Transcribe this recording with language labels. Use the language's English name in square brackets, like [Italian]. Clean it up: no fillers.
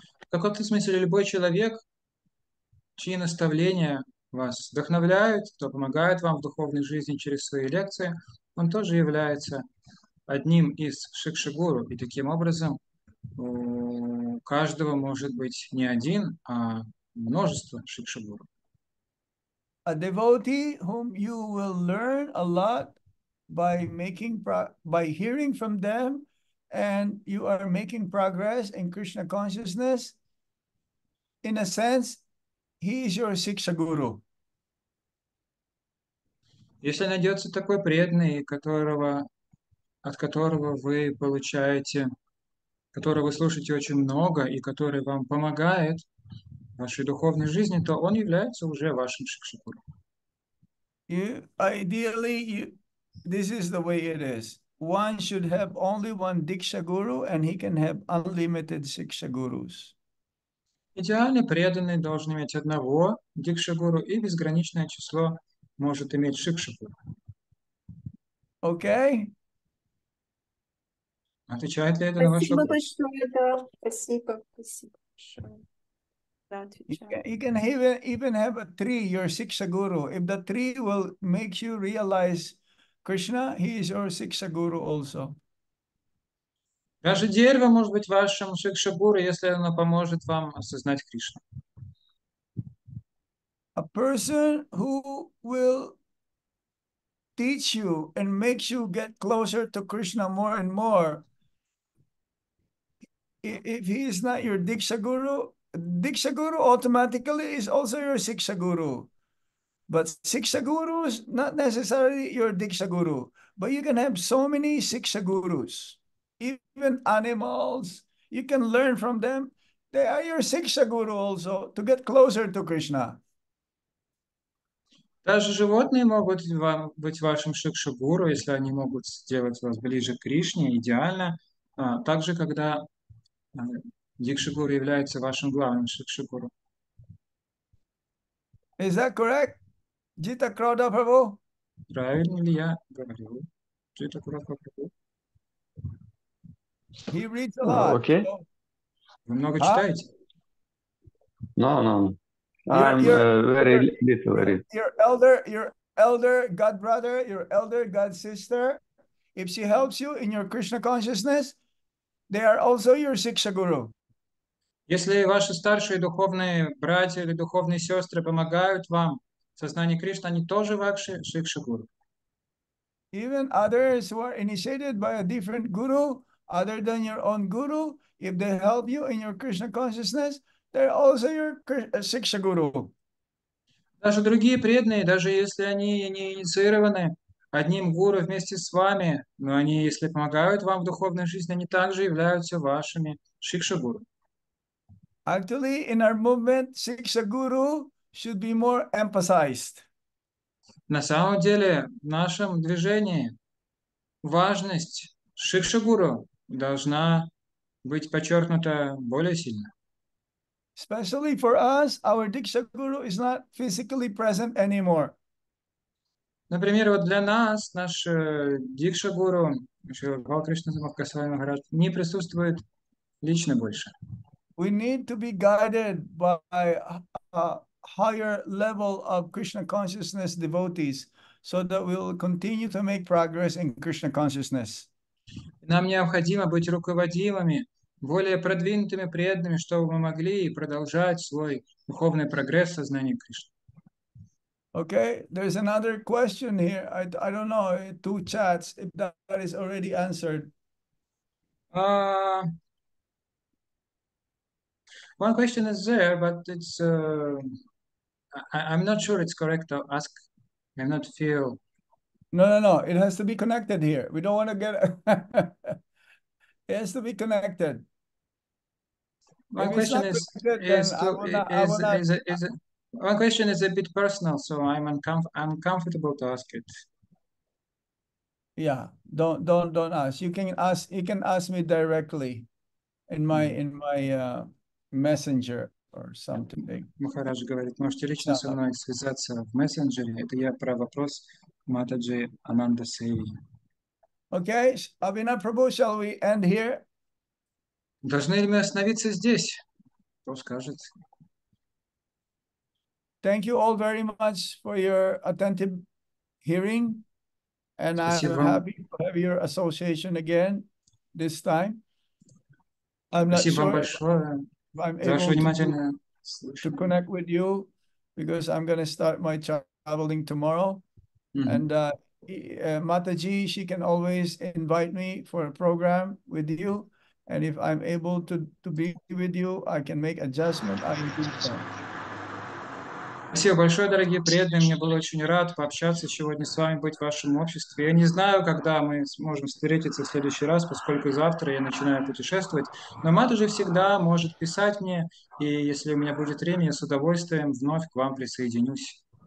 [Russian] В каком-то смысле любой человек, чьи наставления вас вдохновляют, кто помогает вам в духовной жизни через свои лекции, он тоже является одним из шикшигуру. И таким образом у каждого может быть не один, а множество шикшигуру. [English] a devotee whom you will learn a lot by making by hearing from them, and you are making progress in Krishna consciousness, in a sense, he is your siksha guru. [Russian] Если найдется такой преданный, которого, от которого вы получаете, которого вы слушаете очень много и который вам помогает в вашей духовной жизни, то он является уже вашим шикшикуру. [English] Ideally, this is the way it is. One should have only one diksha guru, and he can have unlimited siksha gurus. [Russian] Идеально преданный должен иметь одного дикша гуру и безграничное число может иметь шикшикуру. [English] Okay. [Russian] Отвечает ли это спасибо на ваш вопрос? Большое, да. Спасибо, спасибо большое. Да, [English] you can even have a tree, your siksha guru. If the tree will make you realize Krishna, he is your siksha guru also. [Russian] Даже дерево может быть вашим шикша гуру, если оно поможет вам осознать Кришну. [English] A person who will teach you and makes you get closer to Krishna more and more. If he is not your Diksha Guru, Diksha Guru automatically is also your Siksha Guru. But Siksha Guru is not necessarily your Diksha Guru. But you can have so many Siksha Gurus. Even animals, you can learn from them. They are your Siksha Guru also to get closer to Krishna. [Russian] Даже животные могут вам быть вашим шикшагуру, если они могут сделать вас ближе к Кришне, идеально. Также, когда дикшагуру является вашим главным шикшагуру. [English] Is that correct, Jita Krodha Prabhu? [Russian] Правильно ли я говорю, Jita Krodha Prabhu? [English] He reads a lot. Okay. [Russian] Вы много читаете? [English] No. I'm very little. Your elder god brother, your elder god sister, if she helps you in your Krishna consciousness, they are also your siksha guru. [Russian] Если ваши старшие духовные братья или духовные сестры помогают вам в сознании Кришны, они тоже ваши siksha guru. [English] Even others who are initiated by a different guru, other than your own guru, if they help you in your Krishna consciousness, they're also your siksha guru. [Russian] Даже другие преданные, даже если они не инициированы одним гуру вместе с вами, но они, если помогают вам в духовной жизни, они также являются вашими siksha guru. [English] Actually, in our movement, siksha guru should be more emphasized. [Russian] На самом деле, в нашем движении важность siksha guru должна быть подчеркнута более сильно. [English] Especially for us, our Diksha Guru is not physically present anymore. [Russian] Например, вот для нас наш Диксха Гуру, Шривакал Кришна Махасвами Махарадж, не присутствует лично больше. [English] We need to be guided by a higher level of Krishna consciousness devotees so that we'll continue to make progress in Krishna consciousness. [Russian] Нам необходимо быть руководимыми более продвинутыми преданными, чтобы мы могли продолжать свой духовный прогресс в сознании Кришны. [English] Okay, there's another question here. I don't know, two chats, if that is already answered. One question is there, but it's... I'm not sure it's correct to ask. I'm not feel... No. It has to be connected here. We don't want to get... It has to be connected. One question is a bit personal, so I'm uncomfortable to ask it. Yeah, don't ask. You can ask me directly in my messenger or something. [Russian] Махарадж говорит, можете лично со мной связаться в мессенджере. Это я про вопрос Матаджи Ананда Сейви. [English] Okay, Abhinav Prabhu, shall we end here? [Russian] Должны ли мы остановиться здесь? Кто скажет? [English] Thank you all very much for your attentive hearing. And [Russian] спасибо. [English] I'm happy to have your association again this time. I'm [Russian] спасибо [English] not sure [Russian] вам большое. [English] I'm able to connect with you because I'm going to start my traveling tomorrow. Mm-hmm. And Mataji, she can always invite me for a program with you. And if I'm able to be with you, I can make adjustment. [Russian] Спасибо большое, дорогие преданные. Мне было очень рад пообщаться сегодня с вами, быть в вашем обществе. Я не знаю, когда мы сможем встретиться в следующий раз, поскольку завтра я начинаю путешествовать. Но Матаджи всегда может писать мне, и если у меня будет время, я с удовольствием вновь к вам присоединюсь.